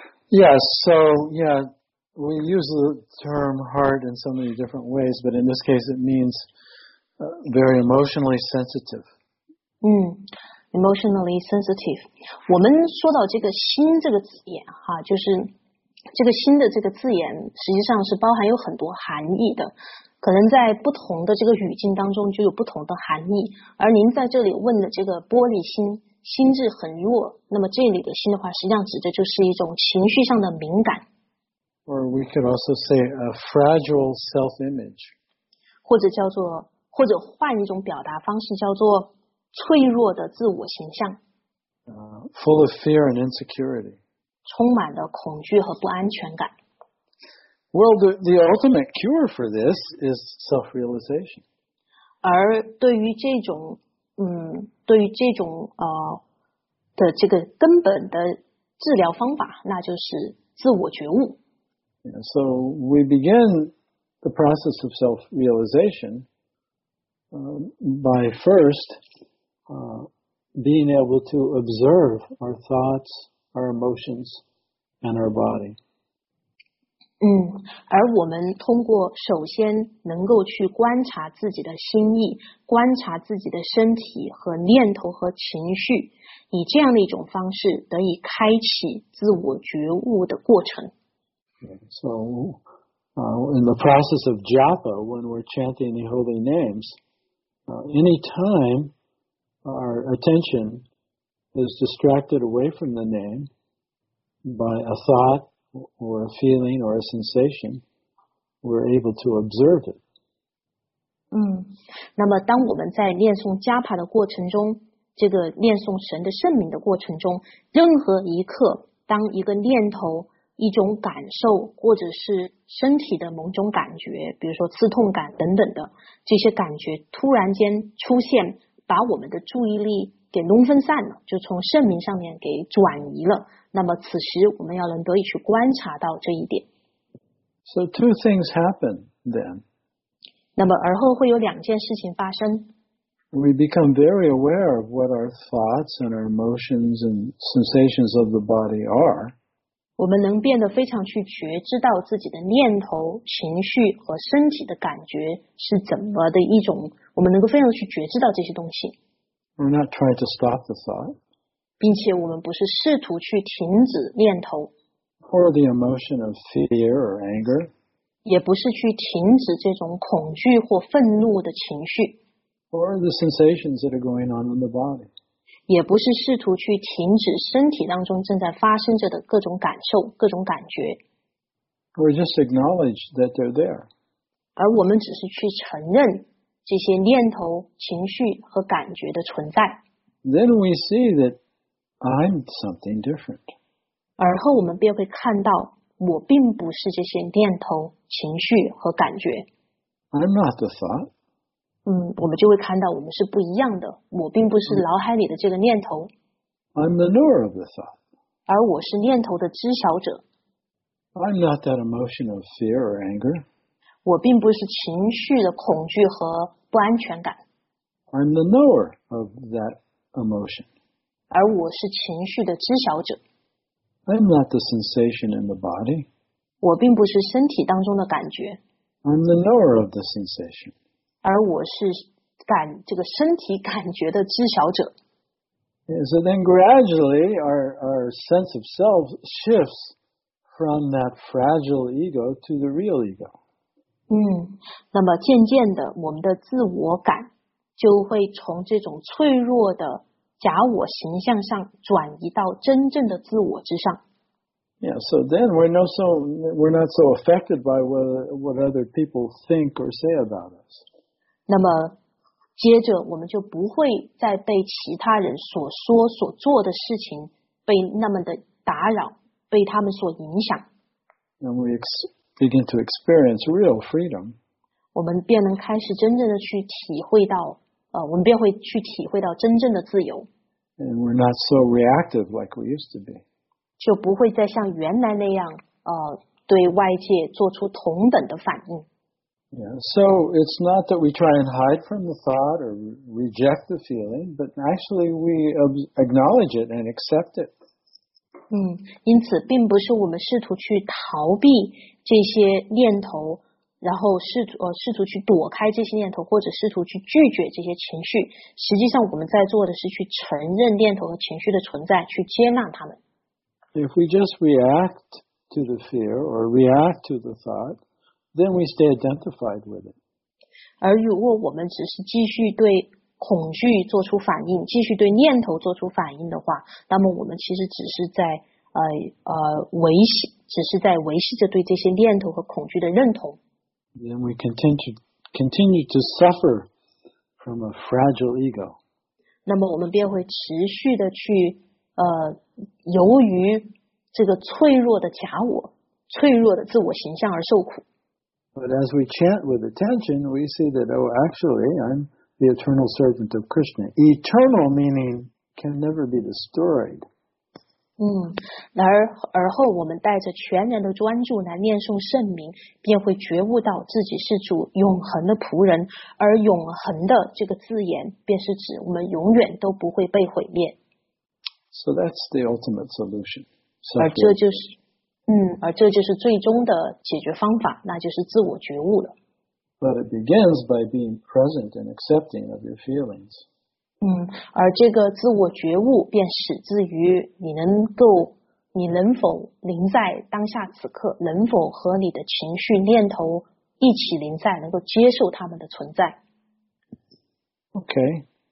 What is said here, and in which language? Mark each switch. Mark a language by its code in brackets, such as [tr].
[en] Yes, so, yeah, we use the term heart in so many different ways, but in this case it means very emotionally sensitive. Emotionally sensitive. [zh] 我们说到这个心这个词眼哈，就是这个心的这个字眼实际上是包含有很多含义的，可能在不同的这个语境当中就有不同的含义。而您在这里问的这个玻璃心，心智很弱，那么这里的心的话实际上指的就是一种情绪上的敏感。 [en] Or we could also say a fragile self-image. [zh] 或者换一种表达方式叫做脆弱的自我形象。 [en] Full of fear and insecurity. [zh] 充满了恐惧和不安全感。 [en] Well, the ultimate cure for this is self-realization. [zh] 而对于这种，对于这种的这个根本的治疗方法，那就是自我觉悟。 [en] Yeah, so we begin the process of self-realization, by first, being able to observe our thoughts, our emotions, and our body. [zh] 而我们通过首先能够去观察自己的心意，观察自己的身体和念头和情绪，以这样的一种方式得以开启自我觉悟的过程。 [en] So, in the process of japa, when we're chanting the holy names, any time our attention is distracted away from the name by a thought or a feeling or a sensation, we're able to observe it. [zh] 那么当我们在念诵加帕的过程中，这个念诵神的圣名的过程中，任何一刻，当一个念头、一种感受，或者是身体的某种感觉，比如说刺痛感等等的，这些感觉突然间出现，把我们的注意力给弄分散了，就从圣名上面给转移了。那么此时我们要能得以去观察到这一点。 [en] So two things happen then. [zh] 那么而后会有两件事情发生。 [en] We become very aware of what our thoughts and our emotions and sensations of the body are. [zh] 我们能变得非常去觉知到自己的念头、情绪和身体的感觉是怎么的一种，我们能够非常去觉知到这些东西。 [en] We're not trying to stop the thought. [zh] 并且我们不是试图去停止念头。 [en] Or the emotion of fear or anger. [zh] 也不是去停止这种恐惧或愤怒的情绪。 [en] Or the sensations that are going on in the body. [zh] 也不是试图去停止身体当中正在发生着的各种感受、各种感觉。 [en] Or just acknowledge that they're there. [zh] 而我们只是去承认这些念头、情绪和感觉的存在。 [en] Then we see that I'm something different. [zh] 而后我们便会看到，我并不是这些念头、情绪和感觉。 [en] I'm not the thought. [zh] 我们就会看到我们是不一样的。我并不是脑海里的这个念头。 [en] I'm the knower of the thought. [zh] 而我是念头的知晓者。 [en] I'm not that emotion of fear or anger. [zh] 我并不是情绪的恐惧和不安全感。 [en] I'm the knower of that emotion. [zh] 而我是情绪的知晓者。 [en] I'm not the sensation in the body. [zh] 我并不是身体当中的感觉。 [en] I'm the knower of the sensation. [zh] 而我是这个身体感觉的知晓者。 [en] Yeah, so then gradually our sense of self shifts from that fragile ego to the real ego. [zh] 那么渐渐的我们的自我感就会从这种脆弱的假我形象上转移到真正的自我之上。 [en] Yeah, so then we're not so affected by what other people think or say about us. [zh] 那么接着我们就不会再被其他人所说所做的事情被那么的打扰，被他们所影响。 [en] And we begin to experience real freedom. [zh] 我们便能开始真正的去体会到，我们便会去体会到真正的自由。 [en] And we're not so reactive like we used to be. [zh] 就不会再像原来那样，对外界做出同等的反应。 [en] Yeah, so it's not that we try and hide from the thought or reject the feeling, but actually we acknowledge it and accept it. [zh] 因此并不是我们试图去逃避这些念头，然后试图去躲开这些念头，或者试图去拒绝这些情绪。实际上我们在做的是去承认念头和情绪的存在，去接纳他们。 [en] If we just react to the fear or react to the thought, then we stay identified with it. [zh] 而如果我们只是继续对恐惧做出反应，继续对念头做出反应的话，那么我们其实只是在维系着对这些念头和恐惧的认同。 [en] Then we continue to suffer from a fragile ego. [zh] 那么我们便会持续的去由于这个脆弱的假我、脆弱的自我形象而受苦。 [en] But as we chant with attention, we see that oh, actually, I'm the eternal servant of Krishna. Eternal meaning can never be destroyed. [zh] 而后我们带着全然的专注来念诵圣名，便会觉悟到自己是主永恒的仆人，而永恒的这个字眼便是指我们永远都不会被毁灭。 [en] So that's the ultimate solution. [zh] 而这就是而这就是最终的解决方法，那就是自我觉悟了。 [en] But it begins by being present and accepting of your feelings. [zh] 而这个自我觉悟便始自于你能否临在当下此刻，能否和你的情绪念头一起临在，能够接受他们的存在。 [en] Okay.